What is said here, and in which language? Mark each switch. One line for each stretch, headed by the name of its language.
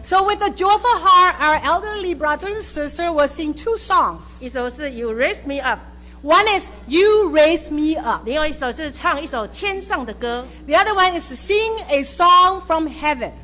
English: So with a joyful heart, our elderly brothers and sisters will sing two songs.
Chinese: 一首是 You Raise Me Up.
English: One is You Raise Me Up.
Chinese: 另外一首是唱一首天上的歌。
English: The other one is Sing a Song from Heaven.